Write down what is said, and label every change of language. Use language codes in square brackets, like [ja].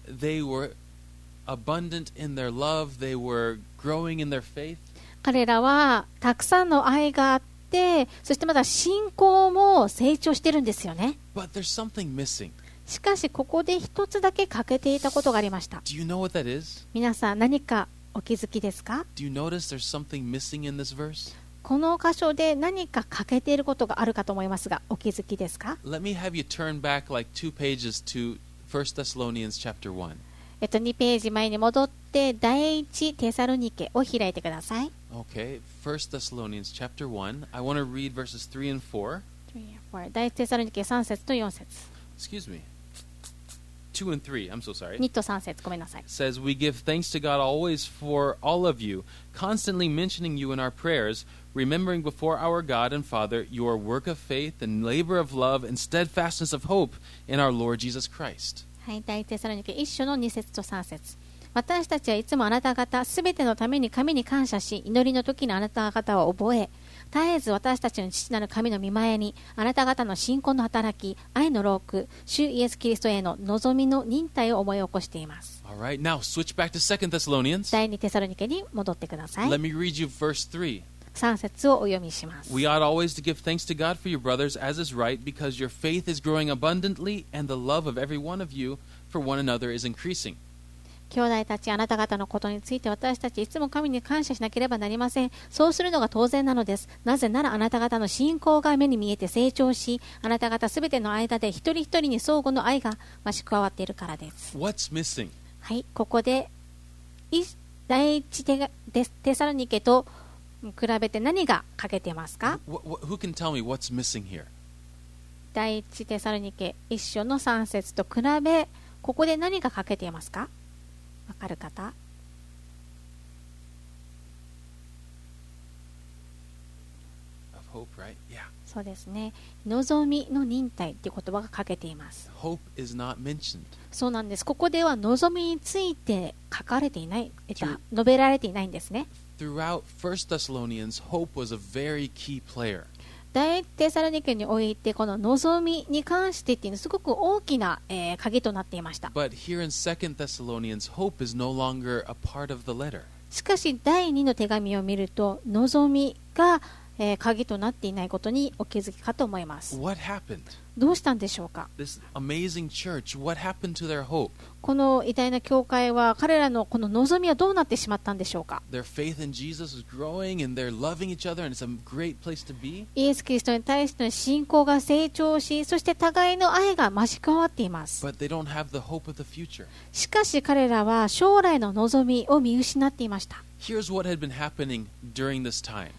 [en] They were abundant in their love. They were growing in their faith. [ja] 彼らはたくさんの愛があって、そしてまた信仰も成長してるんですよね。 [en] But there's something missing. [ja] しかしここで一つだけ欠けていたことがありました。 [en] Do you know what that is? [ja] 皆さん何かお気づきですか？ [en] Do you notice there's something missing in this verse? [ja] この箇所で何か欠けていることがあるかと思いますが、お気づきですか？ [en] Let me have you turn back like two pages to 1 Thessalonians chapter 1. [ja] 2ページ前に戻って第一テサロニケを開いてください。 [en] Okay, 1 Thessalonians chapter 1. I want to read verses 3 and 4. [ja] 第一テサロニケ3節と4節。 [en] Excuse me. 2 and 3. I'm so sorry. [ja] 2と3節、ごめんなさい。 [en] Says we give thanks to God always for all of you, constantly mentioning you in our prayers. Remembering before our God and Father your work of faith and labor of love and steadfastness of hope in our Lord Jesus Christ. [ja] はい、第一テサロニケ1章の2節と3節。私たちはいつもあなた方すべてのために神に感謝し、祈りの時のあなた方を覚え、絶えず私たちの父なる神の御前にあなた方の信仰の働き、愛の労苦、主イエスキリストへの望みの忍耐を思い起こしています。 [en] All right, now switch back to 2 Thessalonians. [ja] 第二テサロニケに戻ってください。 [en] Let me read you verse 3. [ja] 3節をお読みします。 [en] We ought always to give thanks to God for your brothers as is right, because your faith is growing abundantly and the love of every one of you for one another is increasing. [ja] 兄弟たち、あなた方のことについて私たちいつも神に感謝しなければなりません。そうするのが当然なのです。なぜならあなた方の信仰が目に見えて成長し、あなた方すべての間で一人一人に相互の愛が増し加わっているからです。 [en] What's missing? [ja] はい、ここで第一テサロニケと比べて何が欠けてますか？ [en] Who can tell me what's missing here? [ja] 第一テサロニケ一章の三節と比べ、ここで何が欠けていますか？わかる方？ [en] Of hope, right? Yeah. [ja] そうですね。望みの忍耐という言葉が欠けています。 [en] Hope is not mentioned. [ja] そうなんです。ここでは望みについて書かれていない、述べられていないんですね。 [en] Throughout 1 Thessalonians, hope was a very key player. [ja] 第一テサロニケにおいてこの望みに関してっていうのはすごく大きな、鍵となっていました。 [en] But here in 2 Thessalonians, hope is no longer a part of the letter. [ja] しかし第二の手紙を見ると望みが、鍵となっていないことにお気づきかと思います。 [en] What happened? [ja] どうしたんでしょうか？ [en] This amazing church, what happened to their hope? [ja] この偉大な教会は彼らのこの望みはどうなってしまったんでしょうか？ [en] Their faith in Jesus is growing and they're loving each other and it's a great place to be. [ja] イエス・キリストに対しての信仰が成長し、そして互いの愛が増し加わっています。 [en] But they don't have the hope of the future. [ja] しかし彼らは将来の望みを見失っていました。 [en] Here's what had been happening during this time.